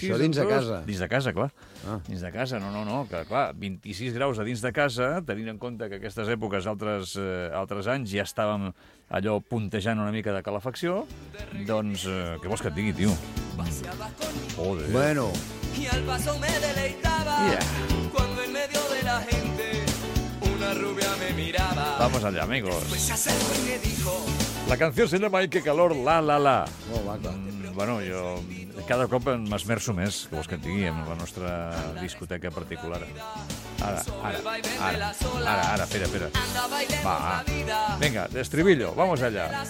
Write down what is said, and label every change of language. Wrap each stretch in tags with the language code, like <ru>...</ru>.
<ca>Això dins de casa. Dins de casa, clar. Dins de casa, no. Que, clar, 26 graus a dins de casa, tenint en compte que aquestes èpoques, altres anys, ja estàvem allò puntejant una mica de calefacció, doncs, què vols que et digui, tio? Joder. Bueno.</ca> <es>Y al paso me deleitaba. Cuando en medio de la gente una rubia me miraba. Vamos allá, amigos. La canción se llama Ay, qué calor, la, la, la. Oh, maca.</es> <ca>Bueno, jo cada cop m'esmerso més, que vols que et digui, amb la nostra discoteca particular. Ara, espera. Va, vinga, estribillo,</ca> <es>vamos allá.</es>